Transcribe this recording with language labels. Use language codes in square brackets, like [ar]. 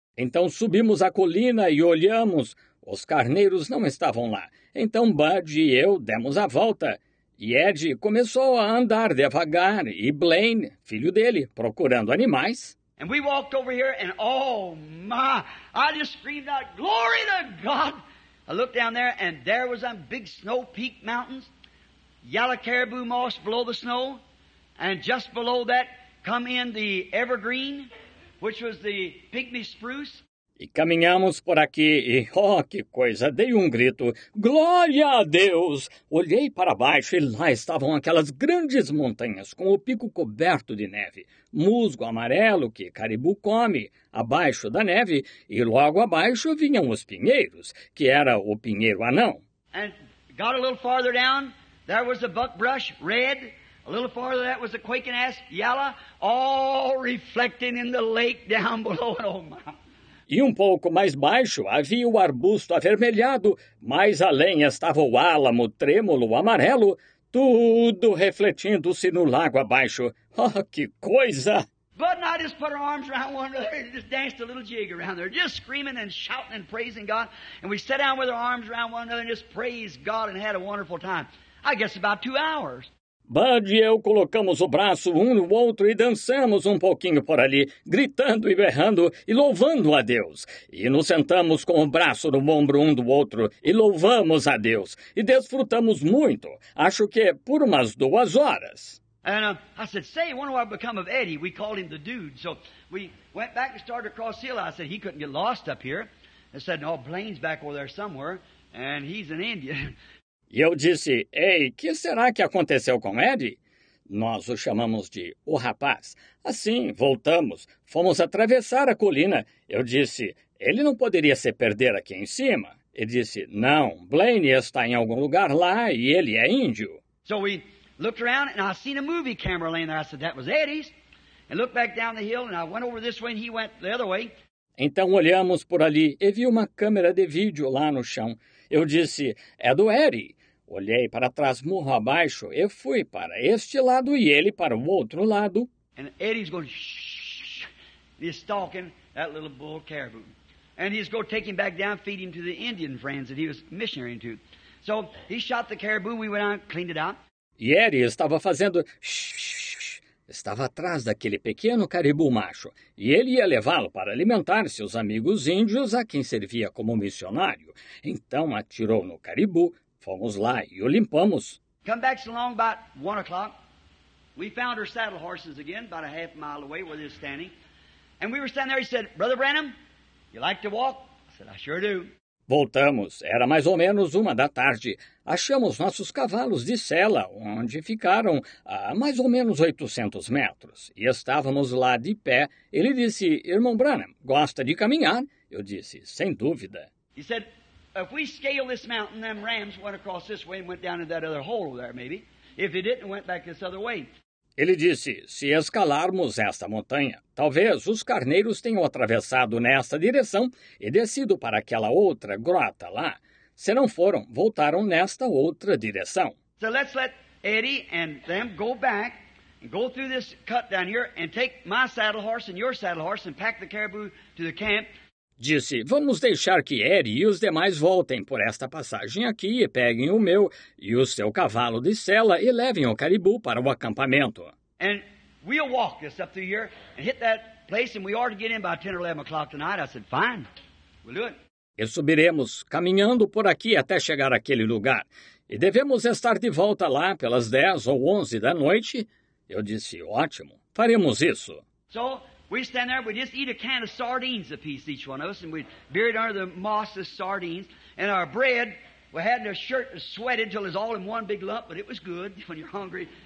[pt] Então subimos a colina e olhamos, os carneiros não estavam lá. Então Bud e eu demos a volta e Ed começou a andar devagar e Blaine, filho dele, procurando animais. [en] And we walked over here, and oh, my, I just screamed out, glory to God. I looked down there, and there was them big snow peak mountains, yellow caribou moss below the snow, and just below that come in the evergreen, which was the pygmy spruce. [pt] E caminhamos por aqui, e oh, que coisa, dei grito, glória a Deus. Olhei para baixo, e lá estavam aquelas grandes montanhas, com o pico coberto de neve, musgo amarelo que caribu come, abaixo da neve, e logo abaixo vinham os pinheiros, que era o pinheiro anão. [en] And got a little farther down, there was a buckbrush, red. A little farther that was a quaking ass, yellow, all reflecting in the lake down below, oh my. E um pouco mais baixo havia o arbusto avermelhado, mais além estava o álamo trêmulo amarelo, tudo refletindo-se no lago abaixo. [pt] Oh, que coisa! [en] Bud and I just put our arms around one another and just danced a little jig around there, just screaming and shouting and praising God. And we sat down with our arms around one another and just praised God and had a wonderful time. I guess about 2 hours. [pt] Bud e eu colocamos o braço no outro e dançamos pouquinho por ali, gritando e berrando e louvando a Deus. E nos sentamos com o braço no ombro do outro e louvamos a Deus. E desfrutamos muito, acho que por umas 2 horas. [en] And I said, say, when do I become of Eddie? We called him the dude. So we went back and started across the hill. I said, he couldn't get lost up here. I said, no, Blaine's back over there somewhere, and he's an Indian. [pt] E eu disse, ei, que será que aconteceu com Ed? Nós o chamamos de o rapaz. Assim, voltamos, fomos atravessar a colina. Eu disse, ele não poderia se perder aqui em cima? Ele disse, não, Blaine está em algum lugar lá e ele é índio. [en] So we looked around and I seen a movie camera laying there. I said, that was Eddie's. And looked back down the hill and I went over this way and he went the other way. [pt] Então olhamos por ali e vi uma câmera de vídeo lá no chão. Eu disse, é do Eddie. Olhei para trás, morro abaixo, e fui para este lado e ele para o outro lado. [en] And Eddie's going, shh, he's stalking that little bull caribou. And he's going to take him back down, feed him to the Indian friends that he was missionary to. So he shot the caribou, we went out, cleaned it out. [pt] E Eddie estava fazendo, shh, estava atrás daquele pequeno caribou macho. E ele ia levá-lo para alimentar seus amigos índios a quem servia como missionário. Então atirou no caribou. Fomos lá e o limpamos. [en] Come back along about 1 o'clock. We found our saddle horses again, about a half mile away where they were standing. And we were standing there, he said, Brother Branham, you like to walk? I said, I sure do. [pt] Voltamos. Era mais ou menos 1 da tarde. Achamos nossos cavalos de sela, onde ficaram a mais ou menos 800 metros. E estávamos lá de pé. Ele disse, Irmão Branham, gosta de caminhar? Eu disse, sem dúvida. [en] He said, if we scale this mountain, them rams went across this way and went down in that other hole there, maybe. If they didn't, went back this other way. [pt] Ele disse, se escalarmos esta montanha, talvez os carneiros tenham atravessado nesta direção e descido para aquela outra grota lá. Se não foram, voltaram nesta outra direção. [en] So let's let Eddie and them go back and go through this cut down here and take my saddle horse and your saddle horse and pack the caribou to the camp. [pt] Disse, vamos deixar que Eri e os demais voltem por esta passagem aqui e peguem o meu e o seu cavalo de sela e levem o caribu para o acampamento. [en] And We'll walk this up through here and hit that place, and we ought to get in by 10 or 11 o'clock tonight. I said, fine. We'll do it. [pt] E subiremos caminhando por aqui até chegar àquele lugar. E devemos estar de volta lá pelas 10 ou 11 da noite. Eu disse, ótimo, faremos isso. [en] So, we stand there, we just eat a can of sardines apiece, each one of us, and we buried under the moss of sardines, and our bread, we had in a shirt sweated till it was all in one big lump, but it was good when you're hungry.